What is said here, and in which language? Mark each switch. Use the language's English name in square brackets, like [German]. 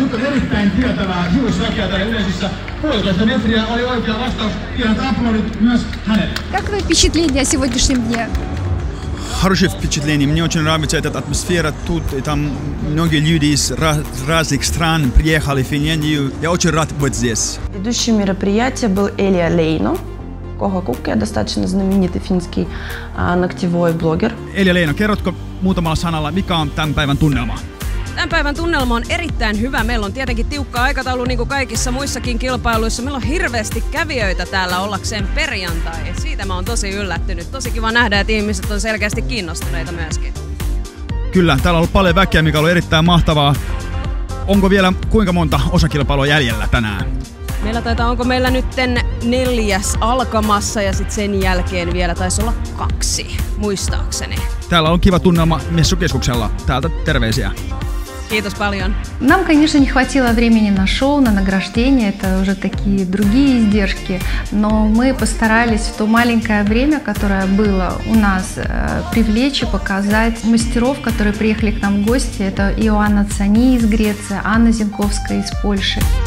[Finnish] Nyt on erittäin tietävää hiusväkeä täällä yleisössä. 13 метрiä oli oikea vastaus. Pienet aplodit myös hänelle. [Russian] Какое впечатление о сегодняшнем дне? Хорошее впечатление. Мне очень нравится эта атмосфера тут. И там многие люди из разных стран приехали в Финляндию. Я очень рад быть здесь. Ведущим мероприятия был Элия Лейно. Кога Кукке, достаточно знаменитый финский ногтевой блогер. [Finnish] Элия Лейно, kerrotko muutamalla sanalla, mikä on tämän päivän tunnelma? Tämän päivän tunnelma on erittäin hyvä. Meillä on tietenkin tiukka aikataulu, niin kuin kaikissa muissakin kilpailuissa. Meillä on hirveästi kävijöitä täällä ollakseen perjantai. Siitä mä oon tosi yllättynyt. Tosi kiva nähdä, että ihmiset on selkeästi kiinnostuneita myöskin. Kyllä, täällä on ollut paljon väkeä, mikä on ollut erittäin mahtavaa. Onko vielä kuinka monta osakilpailua jäljellä tänään? Meillä taitaa, onko meillä nyt 4. alkamassa ja sitten sen jälkeen vielä taisi olla 2, muistaakseni. Täällä on kiva tunnelma messukeskuksella. Täältä terveisiä. Kiitos paljon. [Russian] Нам, конечно, не хватило времени на шоу, на награждение, это уже такие другие издержки, но мы постарались в то маленькое время, которое было у нас, привлечь и показать мастеров, которые приехали к нам в гости. Это Иоанна Цани из Греции, Анна Зинковская из Польши.